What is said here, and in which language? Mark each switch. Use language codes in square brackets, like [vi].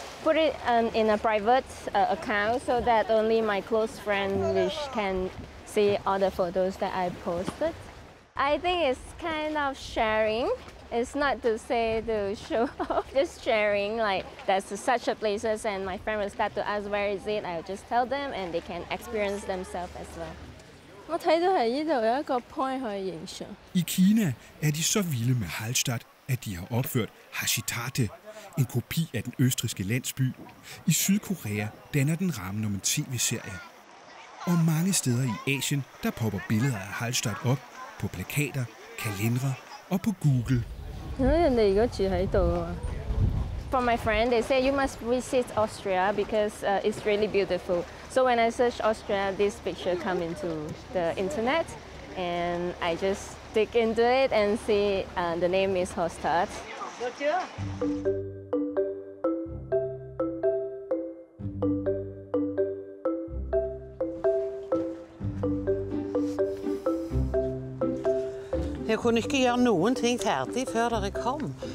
[en] Put it in a private account so that only my close friend can see all the photos that I posted. I think it's kind of sharing. It's not to say to show off, just sharing. Like there's such a places, and my friend will start to ask where is it. I'll just tell them, and they can experience themselves as well. [da] I Kina er de så vilde med Hallstatt, at de har opført Hashitate, en kopi af den østrigske landsby. I Sydkorea danner den rammen om en tv-serie. Og mange steder i Asien, der popper billeder af Hallstatt op på plakater, kalendere og på Google. [en] For my friend, they say you must visit Austria because it's really beautiful. So when I search Austria, this picture come into the internet, and I just dig into it and see the name is Hallstatt. [no] Jeg kunne ikke gjøre noen ting ferdig før dere kom.